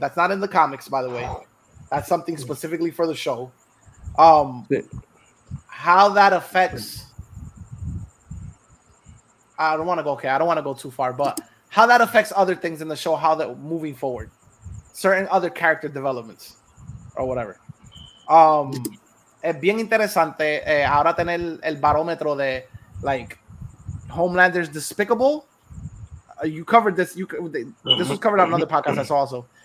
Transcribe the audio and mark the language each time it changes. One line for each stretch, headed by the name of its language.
English: That's not in the comics, by the way. That's something specifically for the show. How that affects... I don't want to go too far, but how that affects other things in the show, how that moving forward, certain other character developments or whatever.
Spanish: Es bien interesante ahora tener el barómetro de,
English: like, Homelander's despicable. You covered this. This was covered on another podcast I saw also.